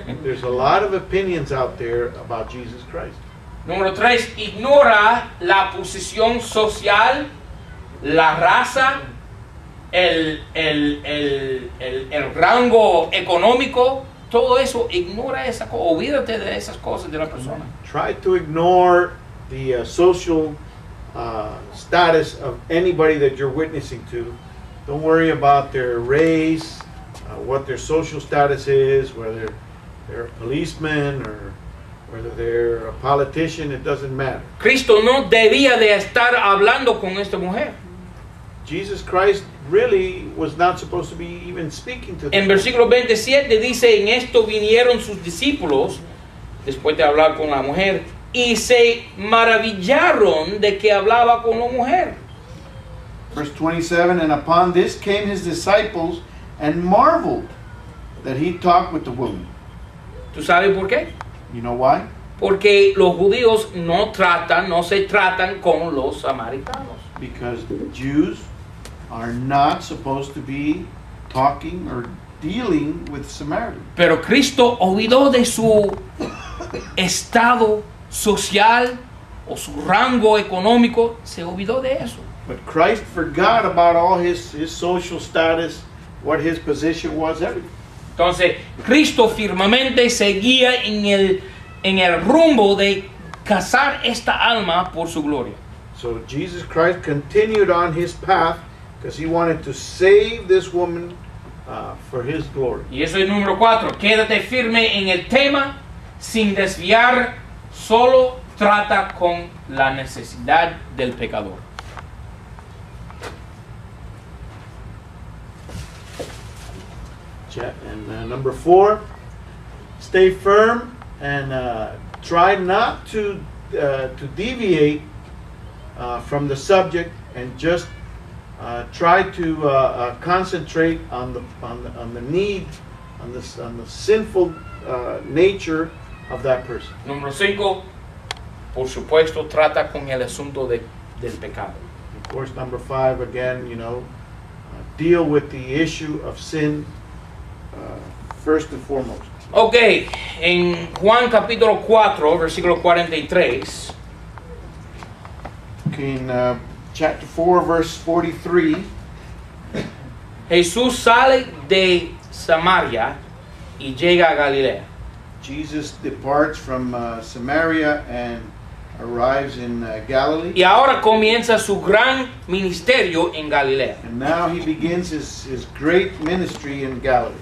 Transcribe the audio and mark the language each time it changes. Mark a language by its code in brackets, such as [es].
[en] There's a lot of opinions out there about Jesus Christ. [es] Número tres, ignora la posición social, la raza, el rango económico, todo eso, ignora esa cosa, olvídate de esas cosas de la persona. [en] Try to ignore the social status of anybody that you're witnessing to. Don't worry about their race, what their social status is, whether they're a policeman or whether they're a politician, it doesn't matter. [es] Cristo no debía de estar hablando con esta mujer. [en] Jesus Christ really was not supposed to be even speaking to them. [es] En versículo 27 dice, en esto vinieron sus discípulos, después de hablar con la mujer, y se maravillaron de que hablaba con la mujer. [en] Verse 27, and upon this came his disciples and marveled that he talked with the woman. [es] ¿Tú sabes por qué? [en] You know why? [es] Porque los judíos no tratan, no se tratan con los samaritanos. [en] Because the Jews are not supposed to be talking or dealing with Samaritans. [es] Pero Cristo olvidó de su estado social o su rango económico, se olvidó de eso. [en] But Christ forgot about all his social status, what his position was, everything. [es] Entonces, Cristo firmemente seguía en el rumbo de cazar esta alma por su gloria. [en] So Jesus Christ continued on his path because he wanted to save this woman for his glory. [es] Y eso es número 4. Quédate firme en el tema sin desviar. Solo trata con la necesidad del pecador. [en] And number 4, stay firm and try not to deviate from the subject, and just try to concentrate on the sinful nature of that person. [es] Número 5, por supuesto, trata con el asunto del pecado. [en] Of course, number 5, again, you know, deal with the issue of sin. First and foremost. [es] Okay, en Juan capítulo 4, versículo 43. [en] Okay, in chapter 4, verse 43. [es] Jesús sale de Samaria y llega a Galilea. [en] Jesus departs from Samaria and arrives in Galilee. [es] Y ahora comienza su gran ministerio en Galilea. [en] And now he begins his great ministry in Galilee.